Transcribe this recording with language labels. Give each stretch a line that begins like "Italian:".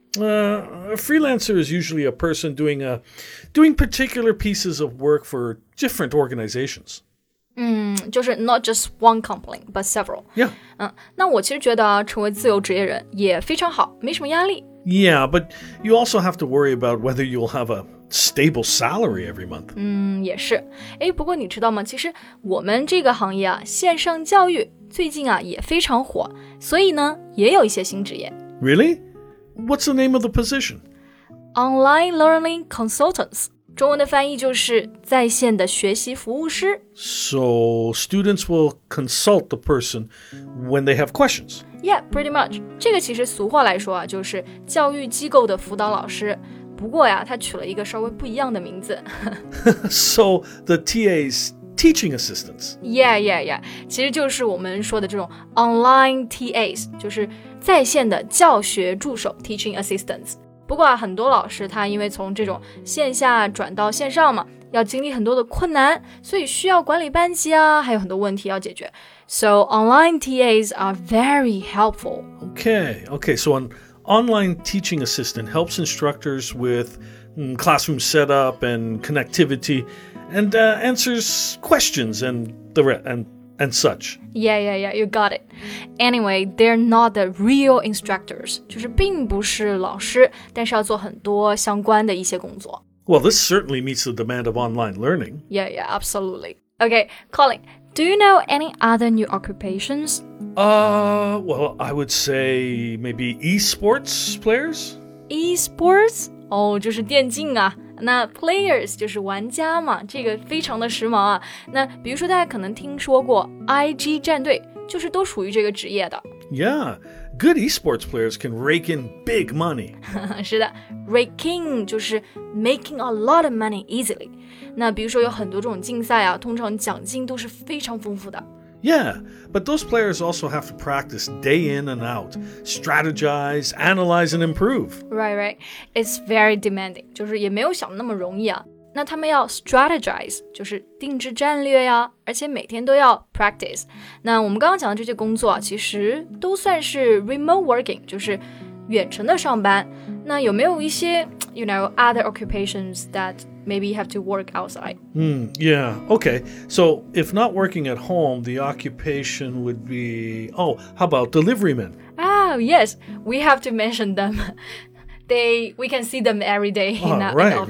English: A freelancer is usually a person doing particular pieces of work for different organizations.
Chinese: 就是
English: not just one company, but several. Yeah.
Chinese: 那我其实觉得成为自由职业人也非常好，没什么压力。
English: Yeah, but you also have to worry about whether you'll have a stable salary every month.
Chinese: 也是。哎，不过你知道吗？其实我们这个行业啊，线上教育最近啊也非常火，所以呢也有一些新职业。
English: Really? What's the name of the position? Online learning consultants.
Chinese: 中文的翻译就是在线的学习服务师。
English: So students will consult the person when they have questions. Yeah, pretty much.
Chinese: 这个其实俗话来说啊，就是教育机构的辅导老师。不过呀，他取了一个稍微不一样的名字。
English: So the TAs teaching assistants. Yeah, yeah, yeah.
Chinese: 其实就是我们说的这种 online TAs, 就是在线的教学助手
English: teaching assistants。
Chinese: 不过、啊、很多老师他因为从这种线下转到线上嘛，要经历很多的困难，所以需要管理班级啊，还有很多问题要解决。
English: So online TAs are very helpful. Okay, okay. So an online teaching assistant helps instructors with classroom setup and connectivity, and answers questions and the and such. Yeah, yeah, yeah. You got it. Anyway, they're not the real instructors.
Chinese: 就是并不是老师，但是要做很多相关的一些工作。
English: Well, this certainly meets the demand of online learning. Yeah, yeah, absolutely. Okay, Colin, do you know any other new occupations? Well, I would say maybe esports players?
Chinese: Esports? Oh, 就是电竞啊。那 players 就是玩家嘛，这个非常的时髦啊。那比如说大家可能听说过 IG 战队，就是都属于这个职业的。
English: Yeah, good esports players can rake in big money.
Chinese: 是的
English: ,raking
Chinese: 就是
English: making a lot of money easily.
Chinese: 那比如说有很多这种竞赛啊，通常奖金都是非常丰富的。
English: Yeah, but those players also have to practice day in and out, strategize, analyze, and improve. Right, right. It's very demanding.
Chinese: 就是也没有想那么容易啊。那他们要 strategize, 就是定制战略呀，而且每天都要 practice. 那我们刚刚讲的这些工作啊，其实都算是 remote working, 就是远程的上班。那有没有一些,
English: you know, other occupations that... Maybe you have to work outside. Yeah, okay. So if not working at home, the occupation would be... Oh, how about delivery men? Oh, yes. We have to mention them. We can see them every day in the office.